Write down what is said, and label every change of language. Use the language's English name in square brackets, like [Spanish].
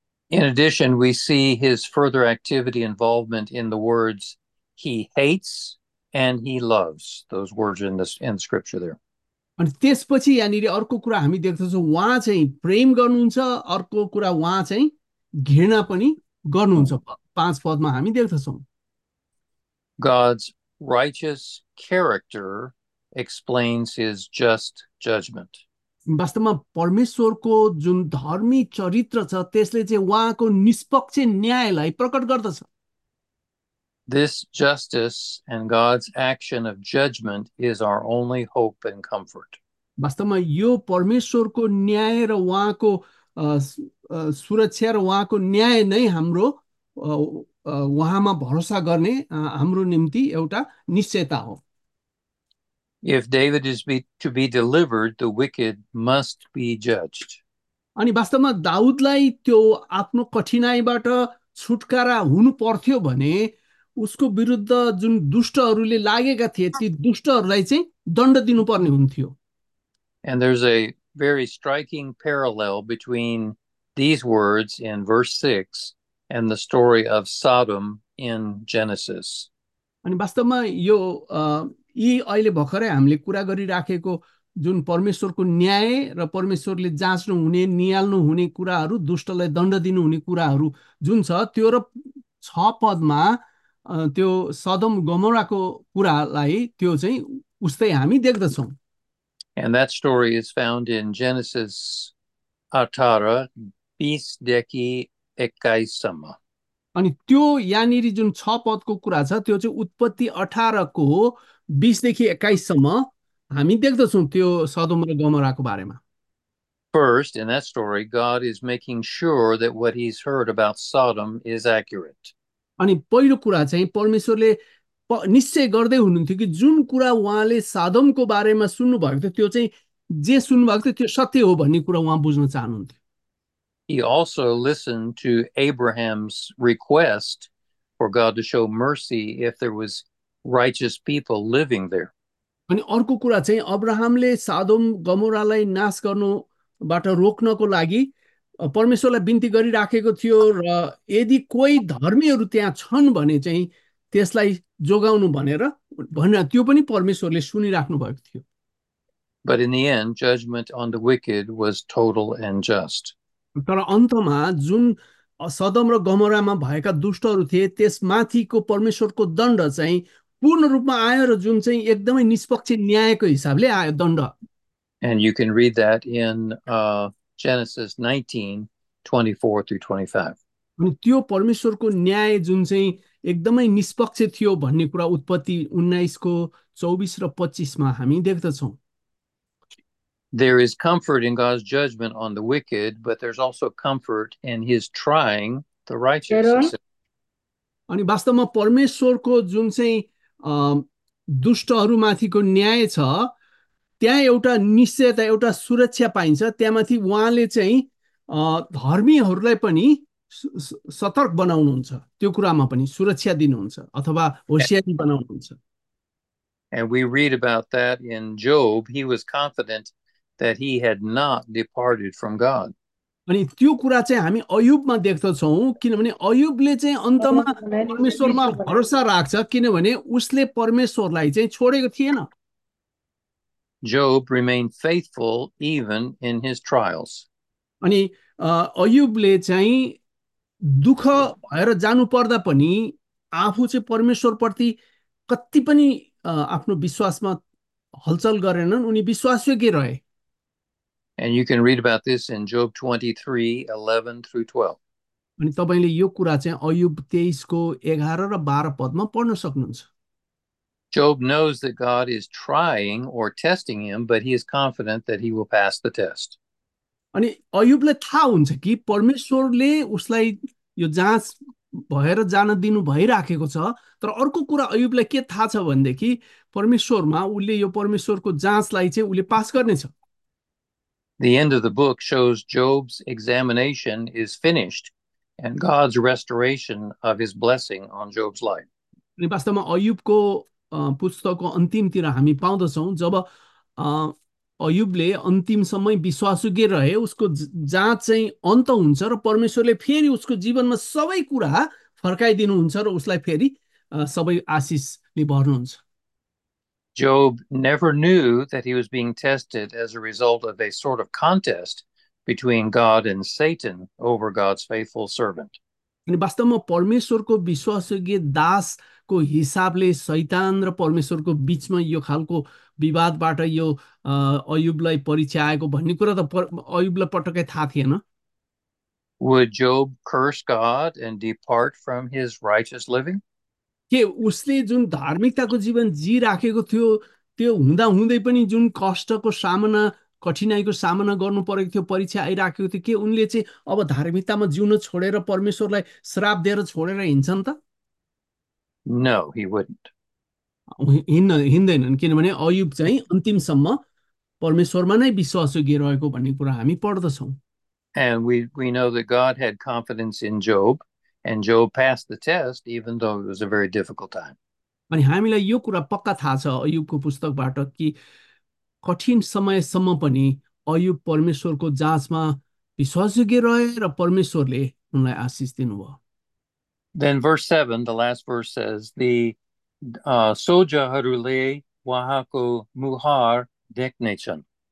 [English] In addition, we see his further activity involvement in the words he hates and he loves. Those words in the scripture there. [Nepali] अनि त्यसपछि यहाँनिर अर्को कुरा हामी देख्दछौँ, उहाँ चाहिँ प्रेम गर्नुहुन्छ, अर्को कुरा उहाँ चाहिँ घृणा पनि गर्नुहुन्छ। पाँच पदमा हामी देख्दछौँ, [English] God's righteous character explains his just judgment. [Nepali] वास्तवमा परमेश्वरको जुन धर्मी चरित्र छ त्यसले चाहिँ उहाँको निष्पक्ष न्यायलाई प्रकट गर्दछ। [English] This justice and God's action of judgment is our only hope and comfort. [Nepali] वास्तवमा यो परमेश्वरको न्याय र उहाँको सुरक्षा र उहाँको न्याय नै हाम्रो उहाँमा भरोसा गर्ने हाम्रो निम्ति एउटा निश्चयता हो। [English] If David is to be delivered, the wicked must be judged. [Nepali] अनि वास्तवमा दाउदलाई त्यो आफ्नो कठिनाइबाट छुटकारा हुनु पर्थ्यो भने उसको विरुद्ध जुन दुष्टहरूले लागेका थिए ती दुष्टहरूलाई चाहिँ दण्ड दिनुपर्ने हुन्थ्यो। [English] And there's a very striking parallel between these words in verse 6 and the story of Sodom in Genesis. [Nepali] अनि वास्तवमा यो यी अहिले भर्खरै हामीले कुरा गरिराखेको जुन परमेश्वरको न्याय र परमेश्वरले जाँच्नु हुने नियाल्नु हुने कुराहरू, दुष्टलाई दण्ड दिनु हुने कुराहरू जुन छ, त्यो र छ पदमा त्यो सदम गमोराको कुरालाई त्यो चाहिँ उस्तै हामी देख्दछौँ। [English] And that story is found in Genesis 18, [Nepali] 20-deki 21-samma. अनि त्यो यहाँनिर जुन छ पदको कुरा छ त्यो चाहिँ उत्पत्ति 18 20 21 हामी देख्दछौँ त्यो सदोम र गमोराको बारेमा। [English] First, in that story, God is making sure that what he's heard about Sodom is accurate. [Nepali] अनि पहिलो कुरा चाहिँ परमेश्वरले निश्चय गर्दै हुनुहुन्थ्यो कि जुन कुरा उहाँले सादमको बारेमा सुन्नुभएको थियो त्यो चाहिँ जे सुन्नुभएको थियो त्यो सत्य हो भन्ने कुरा उहाँ बुझ्न चाहनुहुन्थ्यो। [English] He also listened to Abraham's request for God to show mercy if there was righteous people living there. [Nepali] अनि अर्को कुरा चाहिँ अब्राहमले सादोम गमोरालाई नाश गर्नुबाट रोक्नको लागि परमेश्वरलाई बिन्ती गरिराखेको थियो, र यदि कोही धर्मीहरू त्यहाँ छन् भने चाहिँ त्यसलाई जोगाउनु भनेर भनेर त्यो पनि परमेश्वरले सुनिराख्नु भएको थियो। [English] But in the end, judgment on the wicked was total and just. [Nepali] तर अन्तमा जुन सदम र गमरामा भएका दुष्टहरू थिए त्यसमाथिको परमेश्वरको दण्ड चाहिँ पूर्ण रूपमा आयो, र जुन चाहिँ एकदमै निष्पक्ष न्यायको हिसाबले आयो दण्ड। [English] And you can read that in Genesis 19, 24 through 25. [Nepali] अनि त्यो परमेश्वरको न्याय जुन चाहिँ एकदमै निष्पक्ष थियो भन्ने कुरा उत्पत्ति 19:24 र 25 हामी देख्दछौँ। [English] There is comfort in God's judgment on the wicked, but there's also comfort in his trying the righteous, he said. [Nepali] अनि वास्तवमा परमेश्वरको जुन चाहिँ दुष्टहरूमाथिको न्याय छ त्यहाँ एउटा निश्चयता, एउटा सुरक्षा पाइन्छ। त्यहाँमाथि उहाँले चाहिँ धर्मीहरूलाई पनि सतर्क बनाउनुहुन्छ, त्यो कुरामा पनि सुरक्षा दिनुहुन्छ अथवा होसियारी बनाउनुहुन्छ। [English] And we read about that in Job. He was confident that he had not departed from God. [Nepali] अनि त्यो कुरा चाहिँ हामी अय्युबमा देख्दछौँ, किनभने अय्युबले चाहिँ अन्तमा परमेश्वरमा भरोसा राख्छ, किनभने उसले परमेश्वरलाई चाहिँ छोडेको थिएन। [English] Job remained faithful even in his trials. [Nepali] अनि अय्युबले चाहिँ दुःख भएर जानु पर्दा पनि आफू चाहिँ परमेश्वरप्रति कति पनि आफ्नो विश्वासमा हलचल गरेनन्, उनी विश्वासयोग्य रहे। [English] And you can read about this in Job 23:11 through 12. [Nepali] अनि तपाईँले यो कुरा चाहिँ अय्युब 23:11 र 12 पदमा पढ्न सक्नुहुन्छ। [English] Job knows that God is trying or testing him, but he is confident that he will pass the test. [Nepali] अनि अय्युबलाई थाहा हुन्छ कि परमेश्वरले उसलाई यो जाँच भएर जान दिनु भइराखेको छ। तर अर्को कुरा अय्युबलाई के थाहा छ भनेदेखि परमेश्वरमा उसले यो परमेश्वरको जाँचलाई चाहिँ उसले पास गर्नेछ। [English] The end of the book shows Job's examination is finished and God's restoration of his blessing on Job's life. [Nepali] अनि वास्तवमा अय्युबको पुस्तकको अन्तिमतिर हामी पाउँदछौँ जब अय्युबले अन्तिम समय विश्वासुगे रहे, उसको जाँच चाहिँ अन्त हुन्छ र परमेश्वरले फेरि उसको जीवनमा सबै कुरा फर्काइदिनुहुन्छ र उसलाई फेरि सबै आशिषले भर्नुहुन्छ। [English] Job never knew that he was being tested as a result of a sort of contest between God and Satan over God's faithful servant. [Nepali] अनि वास्तवमा परमेश्वरको विश्वासयोग्य दासको हिसाबले शैतान र परमेश्वरको बिचमा यो खालको विवादबाट यो अय्युबलाई परीक्षा आएको भन्ने कुरा त अय्युबलाई पटक्कै थाहा थिएन। [English] Would Job curse God and depart from his righteous living? [Nepali] के उसले जुन धार्मिकताको जीवन जिइराखेको थियो त्यो हुँदा हुँदै पनि जुन कष्टको सामना, कठिनाईको सामना गर्नु परेको थियो, परीक्षा आइराखेको थियो, के उनले चाहिँ अब धार्मिकतामा जिउन छोडेर परमेश्वरलाई श्राप दिएर छोडेर हिँड्छन् त? [English] No, he wouldn't. [Nepali] हिँड्दैनन्, किनभने अय्युब चाहिँ अन्तिमसम्म परमेश्वरमा नै विश्वासयोग्य रहेको भन्ने कुरा हामी पढ्दछौँ। [English] And we know that God had confidence in Job, and Job passed the test, even though it was a very difficult time. [Nepali] अनि हामीलाई यो कुरा पक्का थाहा छ अय्युबको पुस्तकबाट कि कठिन समयसम्म पनि अय्युब परमेश्वरको जाँचमा विश्वासयोग्य रहे र परमेश्वरले उनलाई आशिष दिनुभयो। [English] Then verse 7, the last verse says, the [Nepali] soja harule wahako muhar deknechan.